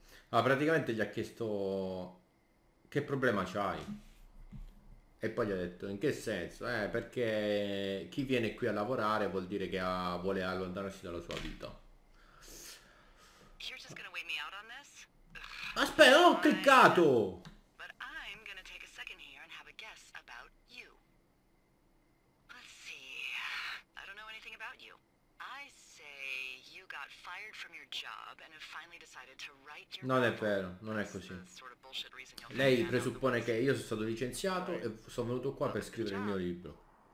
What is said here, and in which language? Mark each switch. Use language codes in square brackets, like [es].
[it] Ah, praticamente gli ha chiesto che problema c'hai. E poi gli ha detto, in che senso? Perché chi viene qui a lavorare vuol dire che vuole allontanarsi dalla sua vita. [en] You're just gonna wait me out on this? [it] Aspetta, ho cliccato! [en] But I'm gonna take a second here and have a guess about you. Let's see. I don't know anything about you. I say you got fired from your job and have finally decided to write your [it] Non è vero, non è così. Lei presuppone che io sono stato licenziato e sono venuto qua per scrivere il mio libro.